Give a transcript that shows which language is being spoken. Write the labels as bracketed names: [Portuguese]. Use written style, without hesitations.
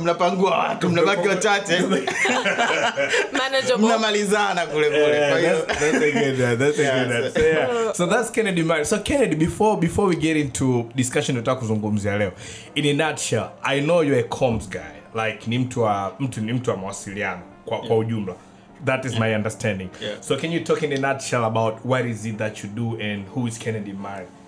[Swahili] Mnapangua watu, mnabaki wachache. [English] Manageable. [Swahili] Mnamalizana kule kule. Kwa hiyo [English] that's a good answer. So that's Kennedy Mmari. So Kennedy, before we get into discussion [Swahili] tutataka kuzungumzia leo. [English] In a nutshell, I know you're a comms guy. [Swahili] Like ni mtu wa mawasiliano kwa ujumla. [English] That is my understanding. Yeah. So can you talk in a nutshell about what is it that you do and who is Kennedy Mmari?